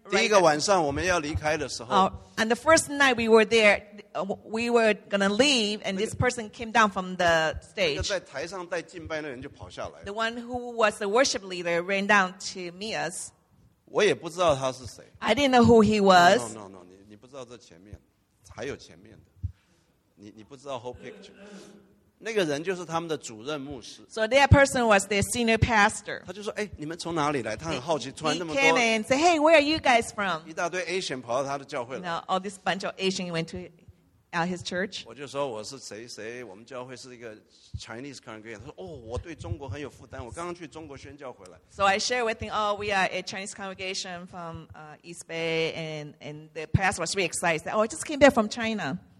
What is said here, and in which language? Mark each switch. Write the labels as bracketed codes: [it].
[zh] 第一个晚上我们要离开的时候。 [en] And the first night we were there, we were going to leave, and this person came down from the stage. [zh] 那个在台上带敬拜的人就跑下来。 [en] The one who was the worship leader ran down to meet us. [zh] 我也不知道他是谁。 [en] I didn't know who he was. No, [zh] 你不知道这前面,还有前面的。你不知道 [en] whole picture. [zh] 那个人就是他们的主任牧师。 [en] So that person was their senior pastor. [zh] 他就说,诶,你们从哪里来? 他很好奇, [en] he came and said, hey, where are you guys from? [zh] 一大堆Asian跑到他的教会了。 [en] Now all this bunch of Asian went to his church. [zh] 我就说我是谁谁, 我们教会是一个 [en] Chinese congregation. [zh] 他说,哦,我对中国很有负担, 我刚刚去中国宣教回来。 [en] So I shared with him, oh, we are a Chinese congregation from East Bay, and the pastor was really excited. He said, oh, I just came back from China.